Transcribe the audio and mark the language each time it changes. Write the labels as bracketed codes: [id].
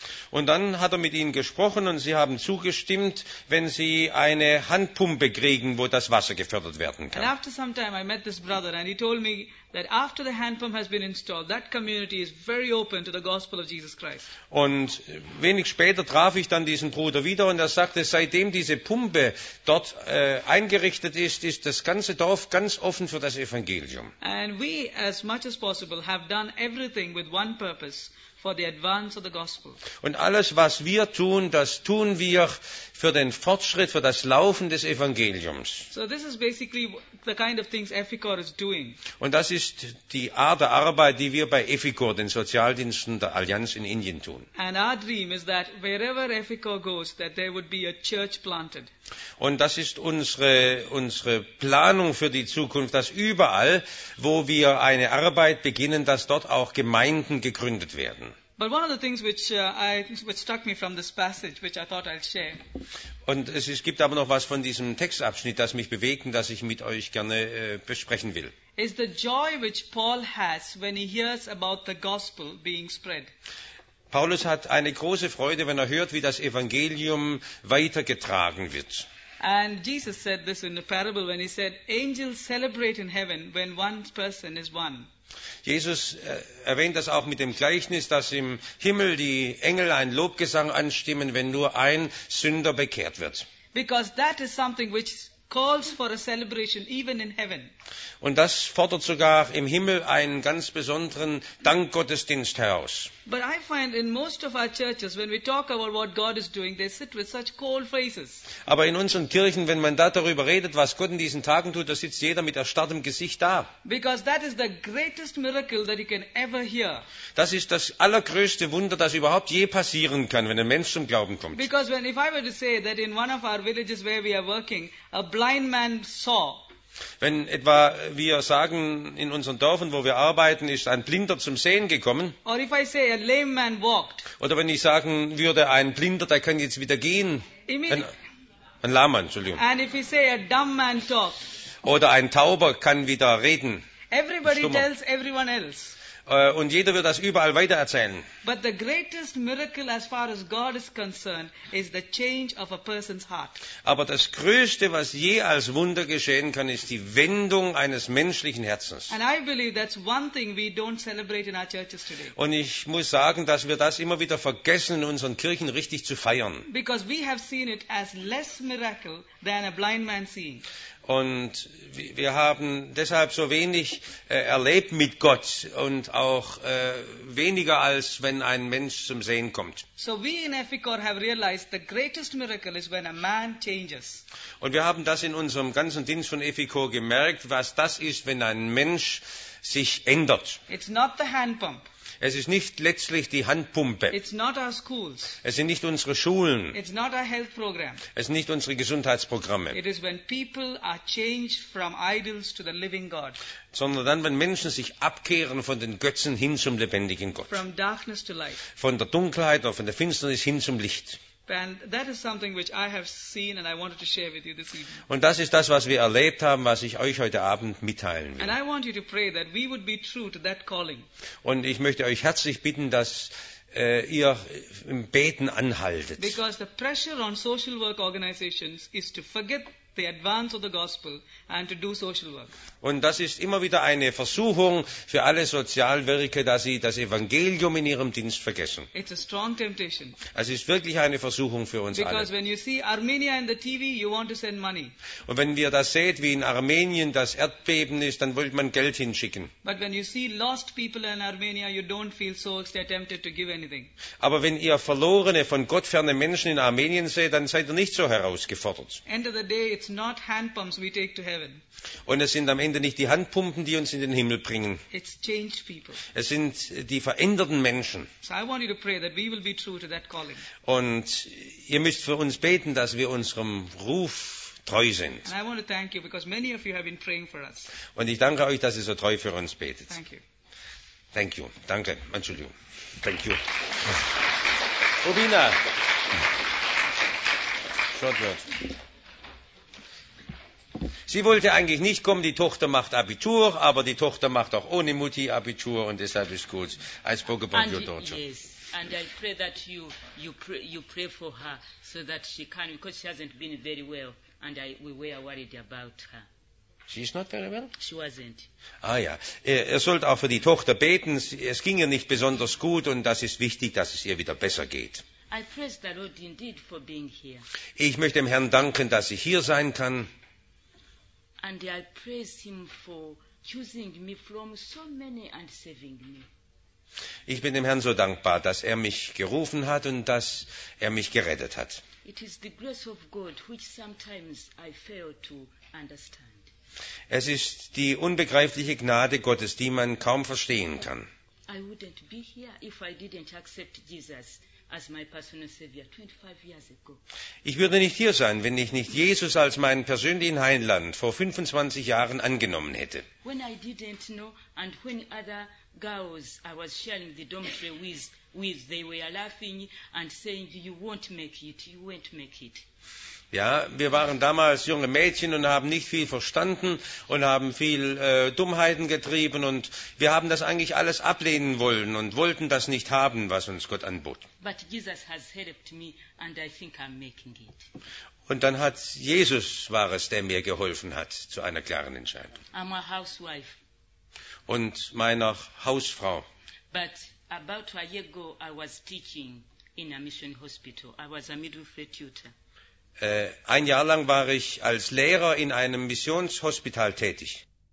[de] Und dann hat er mit ihnen gesprochen und sie haben zugestimmt, wenn sie eine Handpumpe kriegen, wo das Wasser gefördert werden kann. [en] And after some time I met this brother and he told me that after the hand pump has been installed, that community is very open to the gospel of Jesus Christ. [de] Und wenig später traf ich dann diesen Bruder wieder und er sagte, seitdem diese Pumpe dort eingerichtet ist, ist das ganze Dorf ganz offen für das Evangelium. [en] And we as much as possible have done everything with one purpose, for the advance of the gospel. [de] Und alles was wir tun, das tun wir für den Fortschritt, für das Laufen des Evangeliums. [en] So this is basically the kind of things EFICOR is doing. [de] Und das ist die Art der Arbeit, die wir bei EFICOR, den Sozialdiensten der Allianz in Indien, tun. [en] And our dream is that wherever EFICOR goes, that there would be a church planted. [de] Und das ist unsere Planung für die Zukunft, dass überall, wo wir eine Arbeit beginnen, dass dort auch Gemeinden gegründet werden. [en] But one of the things which struck me from this passage, which I thought I'd share. [de] Und es gibt aber noch was von diesem Textabschnitt, das mich bewegt, das ich mit euch gerne besprechen will. [en] is the joy which Paul has when he hears about the gospel being spread. [de] Paulus hat eine große Freude, wenn er hört, wie das Evangelium weitergetragen wird. [en] And Jesus said this in a parable when he said, angels celebrate in heaven when one person is won. [de] Jesus erwähnt das auch mit dem Gleichnis, dass im Himmel die Engel einen Lobgesang anstimmen, wenn nur ein Sünder bekehrt wird. [en] Because that is something which calls for a celebration even in heaven. [de] Und das fordert sogar im Himmel einen ganz besonderen Dankgottesdienst heraus. [en] But I find in most of our churches when we talk about what God is doing, they sit with such cold faces. [de] Aber in unseren Kirchen, wenn man da darüber redet, was Gott in diesen Tagen tut, da sitzt jeder mit erstarrtem Gesicht da. [en] Because that is the greatest miracle that you can ever hear. [de] Das ist das allergrößte Wunder, das überhaupt je passieren kann, wenn ein Mensch zum Glauben kommt. [en] Because when, if I were to say that in one of our villages where we are working, a blind man saw. [de] Wenn etwa wir sagen, in unseren Dörfern, wo wir arbeiten, ist ein Blinder zum Sehen gekommen. [en] Or if I say a lame man walked. [de] Oder wenn ich sagen würde, ein Blinder, der kann jetzt wieder gehen. Ein Lahmmann, Entschuldigung. [en] And if you say a dumb man talked. [de] Oder ein Tauber kann wieder reden. [en] Everybody tells everyone else. [de] Und jeder wird das überall weitererzählen. [en] But the greatest miracle as far as God is concerned is the change of a person's heart. [de] Aber das größte, was je als Wunder geschehen kann, ist die Wendung eines menschlichen Herzens. [en] And I believe that's one thing we don't celebrate in our churches today. [de] Und ich muss sagen, dass wir das immer wieder vergessen, in unseren Kirchen richtig zu feiern. [en] Because we have seen it as less miracle than a blind man seeing. [de] Und wir haben deshalb so wenig erlebt mit Gott und auch weniger als wenn ein Mensch zum Sehen kommt. [en] So we in Efficor have realized the greatest miracle is when a man changes. [de] Und wir haben das in unserem ganzen Dienst von Efficor gemerkt, was das ist, wenn ein Mensch sich ändert. [en] It's not the hand pump. [de] Es ist nicht letztlich die Handpumpe. [en] It's not our schools. [de] Es sind nicht unsere Schulen. [en] It's not our health program. [de] Es sind nicht unsere Gesundheitsprogramme. [en] It is when people are changed from idols to the living God. [de] Sondern dann, wenn Menschen sich abkehren von den Götzen hin zum lebendigen Gott. [en] From darkness to light. [de] Von der Dunkelheit oder von der Finsternis hin zum Licht. [en] And that is something which I have seen and I wanted to share with you this evening. [de] Und das ist das, was wir erlebt haben, was ich euch heute Abend mitteilen will. [en] And I want you to pray that we would be true to that calling. [de] Und ich möchte euch herzlich bitten, dass ihr im Beten anhaltet. [en] Because the pressure on social work organizations is to forget the advance of the gospel and to do social work. [de] Und das ist immer wieder eine Versuchung für alle Sozialwerke, dass sie das Evangelium in ihrem Dienst vergessen. [en] It's a strong temptation. [de] Es ist wirklich eine Versuchung für uns [en] Because [de] alle. [en] Because when you see Armenia in the TV, you want to send money. [de] Und wenn wir das seht, wie in Armenien das Erdbeben ist, dann wollte man Geld hinschicken. [en] But when you see lost people in Armenia, you don't feel so tempted to give anything. [de] Aber wenn ihr verlorene, von Gott ferne Menschen in Armenien seht, dann seid ihr nicht so herausgefordert. [en] End of the day, it's not hand pumps we take to heaven. [de] Und es sind am Ende nicht die Handpumpen, die uns in den Himmel bringen. [en] It's changed people. [de] Es sind die veränderten Menschen. [en] So I want you to pray that we will be true to that calling. [de] Und ihr müsst für uns beten, dass wir unserem Ruf treu sind. [en] And I want to thank you because many of you have been praying for us. [de] Und ich danke euch, dass ihr so treu für uns betet. [en] Thank you. Thank you. [de] Danke. Entschuldigung. [en] Thank you. Robina. Short word. [de] Sie wollte eigentlich nicht kommen, die Tochter macht Abitur, aber die Tochter macht auch ohne Mutti Abitur und deshalb ist gut. [en] I spoke about and your daughter. Yes, and I pray that you pray for her so that she can, because she hasn't been very well and we were worried about her. She is not very well? She wasn't. [de] Ah ja, ihr sollt auch für die Tochter beten, es ging ihr nicht besonders gut und das ist wichtig, dass es ihr wieder besser geht. [en] I praise the Lord indeed for being here. [de] Ich möchte dem Herrn danken, dass ich hier sein kann. [en] And I praise him for choosing me from so many and saving me. [de] Ich bin dem Herrn so dankbar, dass er mich gerufen hat und dass er mich gerettet hat. [en] It is the grace of God which sometimes I fail to understand. [de] Es ist die unbegreifliche Gnade Gottes, die man kaum verstehen kann. [en] I wouldn't be here if I didn't accept Jesus as my personal savior 25 years ago. [de] Ich würde nicht hier sein, wenn ich nicht Jesus als meinen persönlichen Heiland vor 25 Jahren angenommen hätte. [en] When I didn't know and when other girls I was sharing the dormitory with, they were laughing and saying, you won't make it, you won't make it. [de] Ja, wir waren damals junge Mädchen und haben nicht viel verstanden und haben viel Dummheiten getrieben und wir haben das eigentlich alles ablehnen wollen und wollten das nicht haben, was uns Gott anbot. [en] But Jesus has helped me and I think I'm making it. [de] Und dann hat Jesus, war es, der mir geholfen hat zu einer klaren Entscheidung. [en] I'm a housewife. [de] Und meiner Hausfrau. [en] But about a year ago I was teaching in a mission hospital. I was a midwife tutor. [de] Ein Jahr lang war ich als Lehrer in einem Missionshospital tätig.